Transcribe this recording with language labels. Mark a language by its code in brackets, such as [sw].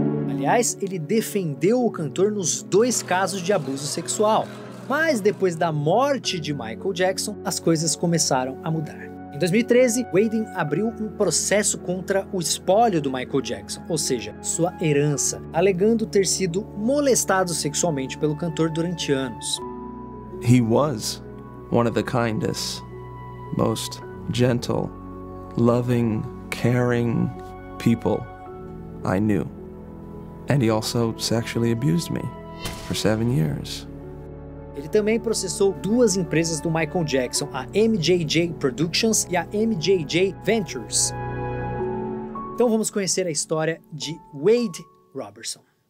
[pt] Aliás, ele defendeu o cantor nos dois casos de abuso sexual. Mas depois da morte de Michael Jackson, as coisas começaram a mudar. Em 2013, Weyden abriu um processo contra o espólio do Michael Jackson, ou seja, sua herança, alegando ter sido molestado sexualmente pelo cantor durante anos. [en] He was one of the kindest, most gentle, loving, caring people I knew. And he also sexually abused me for 7 years. [pt] Ele também processou duas empresas do Michael Jackson, a MJJ Productions e a MJJ Ventures. Então vamos conhecer a história de Wade Robertson.